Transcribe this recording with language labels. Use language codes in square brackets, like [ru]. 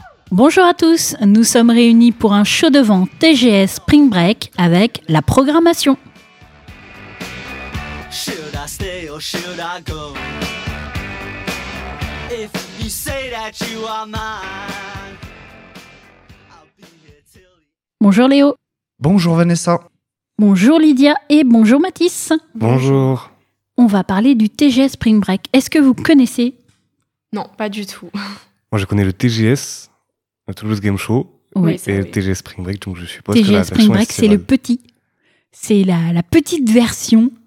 [fr] Bonjour à tous, nous sommes réunis pour un show devant TGS Spring Break avec la programmation. [en] Should I stay or should I go? If you say that you are mine, I'll be here till... [fr] Bonjour Léo. Bonjour Vanessa. Bonjour Lydia et bonjour Mathis. Bonjour. On va parler du TGS Spring Break. Est-ce que vous connaissez? Non, pas du tout. Moi je connais le TGS, le Toulouse Game Show, oui, et ça, le oui. TGS Spring Break, donc je suppose TGS que la TGS Spring Break, c'est le petit. C'est la petite version.